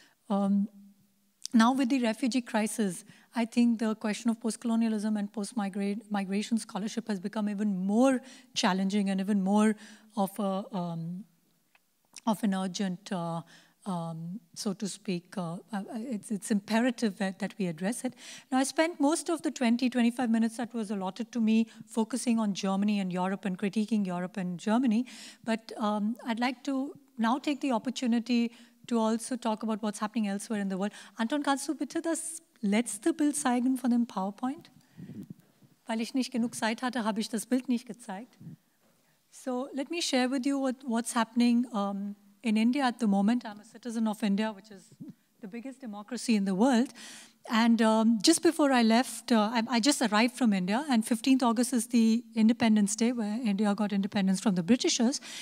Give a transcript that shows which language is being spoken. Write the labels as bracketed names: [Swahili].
[English] Now with the refugee crisis, I think the question of post-colonialism and post-migration scholarship has become even more challenging and even more of a it's imperative that we address it. Now, I spent most of the 20-25 minutes that was allotted to me focusing on Germany and Europe and critiquing Europe and Germany, but I'd like to now take the opportunity to also talk about what's happening elsewhere in the world. [German] Anton, kannst du bitte das letzte Bild zeigen von dem PowerPoint? Weil ich nicht genug Zeit hatte, habe ich das Bild nicht gezeigt. [English] So let me share with you what's happening in India at the moment. I'm a citizen of India, which is the biggest democracy in the world. And just before I left, I just arrived from India, and 15th August is the Independence Day, where India got independence from the Britishers.